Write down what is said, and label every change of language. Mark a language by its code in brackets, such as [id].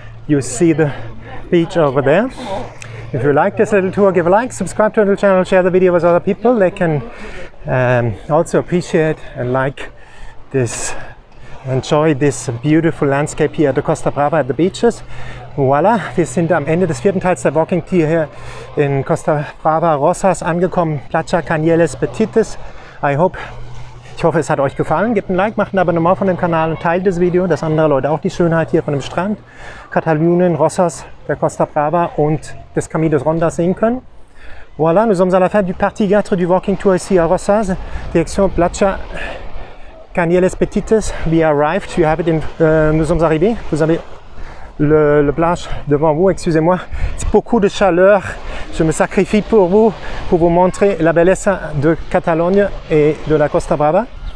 [en] You see the beach over there. If you like this little tour, give a like, subscribe to our channel, share the video with other people. They can also appreciate and like this, enjoy this beautiful landscape here at the Costa Brava at the beaches. [de] Voila, wir sind am Ende des vierten Teils der Walking Tour hier in Costa Brava Rosas angekommen. Playa Canyelles Petites. Ich hoffe, es hat euch gefallen. Gebt ein Like, macht ein Abonnement von dem Kanal und teilt das Video, dass andere Leute auch die Schönheit hier von dem Strand, Katalonien, Rosas, der Costa Brava und des Caminos Rondas sehen können. [fr] Voilà, nous sommes à la fin du partie 4 du walking tour ici à Rosas, direction Playa Canyelles Petites. [en] We arrived, you have it in, [fr] nous sommes arrivés, vous avez le plage devant vous, excusez-moi, c'est beaucoup de chaleur, je me sacrifie pour vous montrer la belleza de Catalogne et de la Costa Brava.